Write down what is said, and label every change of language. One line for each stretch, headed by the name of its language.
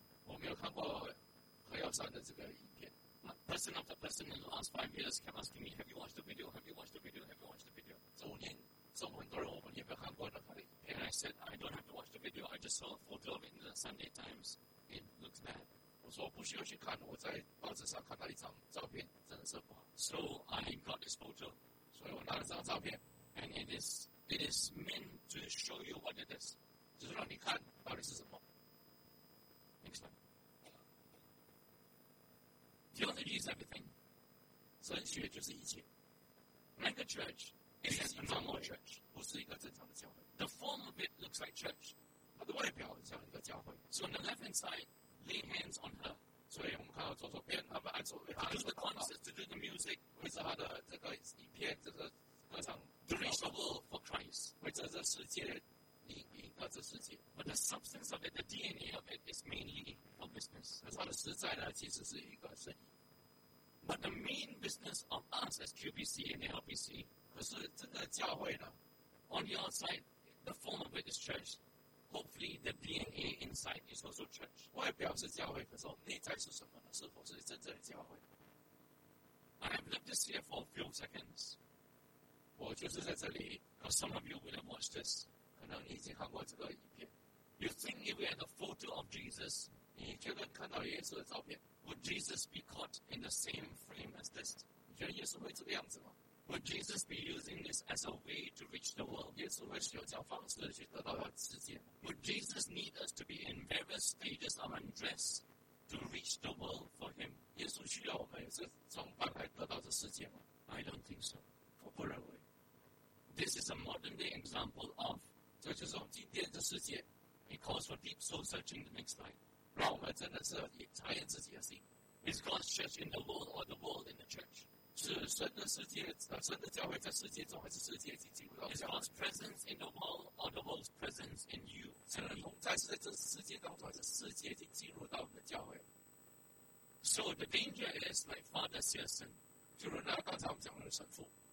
Chinese: 我没有看过何耀山的这个影片。
English: Person after person in the last 5 years kept asking me, have you watched the video? Have you watched the video? Have you watched the video? So, and I said, I don't have to watch the video. I just saw a photo of it in the Sunday Times. It looks bad.
Chinese: 我说我不需要去看，我在报纸上看到一张照片，真的是不好。
English: So I got this photo.
Chinese: 所以我拿了这张照片。
English: And it is meant to show you what it is.
Chinese: 就是让你看到底是什么。
English: Next slide. Theology is everything.
Chinese: 神学就是一切。
English: Mega church is a normal church.
Chinese: 不是一个正常的教会。
English: The form of it looks like church.
Chinese: 它的外表像一个教会。
English: So on the left hand side, lay hands on her.
Chinese: 所以我们看到左手边，他们按手为她做的
English: concert, to do the music,
Chinese: 为着她的这个影片，这个歌唱。
English: To reach the world for Christ.
Chinese: 为着这世界，赢得这世界。
English: But the substance of it, the DNA of it, is mainly for business.
Chinese: 可是它的实在呢，其实是一个生意。
English: But the main business of us as QBC and LBC,
Chinese: 可是真的教会呢
English: on the outside, the form of it is church. Hopefully, the DNA inside is also church.
Chinese: 外表是教会，可是我们内在是什么呢？是否是真正的教会
English: ？I have left this here for a few seconds.
Chinese: 我就是在这里。
English: Because some of you would have watched this.
Chinese: 可能你已经看过这个影片。
English: You think if we had a photo of Jesus,
Chinese: 你觉得看到耶稣的照片？
English: Would Jesus be caught in the same frame as this?
Chinese: 你觉得耶稣会这个样子吗？
English: Would Jesus be using this as a way to reach the world?
Chinese: 耶稣会使用这样方式去得到世界吗？
English: Would Jesus need us to be in various stages of undress to reach the world for him?
Chinese: 耶稣需要我们是装扮来得到这世界吗？
English: I don't think so.
Chinese: 我不认为。
English: This is a modern day example of
Chinese: 这就是我们今天的世界。
English: It calls for deep soul searching the next life.
Chinese: 让我们真的是也查验自己的心。
English: Is God's church in the world or the world in the church?
Chinese: 是神的世界，神的教会在世界中，还是世界已经进入到？
English: Is God's presence in the world or the world's presence in you?
Chinese: 神的同在是在这世界当中，还是世界已经进入到我们的教会？
English: So the danger is like Father Searson,
Chinese: 就如那刚才我们讲的神父。